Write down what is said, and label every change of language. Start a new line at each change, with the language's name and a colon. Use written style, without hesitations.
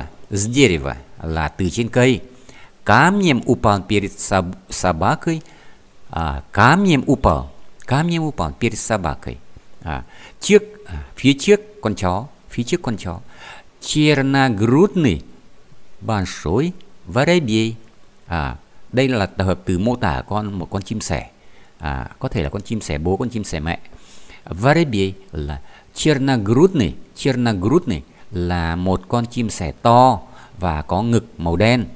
Russian: С дерева
Vietnamese: là từ trên cây.
Russian: Камнем упал перед собакой. À, камнем упал перед собакой.
Vietnamese: À, phía trước con chó,
Russian: черногрудный большой воробей.
Vietnamese: À, đây là tập hợp từ mô tả con một con chim sẻ. À, có thể là con chim sẻ bố, con chim sẻ mẹ. Воробей là черногрудный là một con chim sẻ to và có ngực màu đen.